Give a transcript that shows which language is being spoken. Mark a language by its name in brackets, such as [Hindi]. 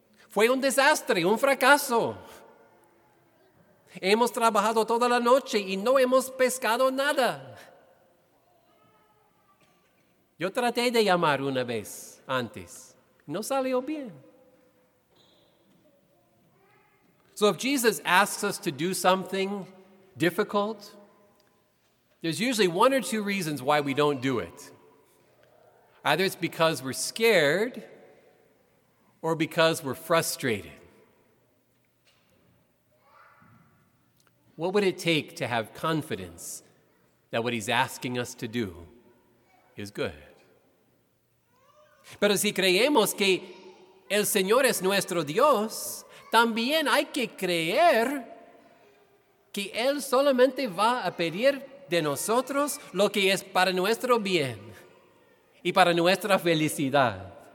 [Spanish] Fue un desastre, un fracaso. Hemos trabajado toda la noche y no hemos pescado nada. Yo traté de llamar una vez antes. No salió bien. [English] So if Jesus asks us to do something difficult, there's usually one or two reasons why we don't do it. Either it's because we're scared or because we're frustrated. What would it take to have confidence that what he's asking us to do is good? [Spanish] Pero si creemos que el Señor es nuestro Dios, también hay que creer que Él solamente va a pedir de nosotros lo que es para nuestro bien y para nuestra felicidad.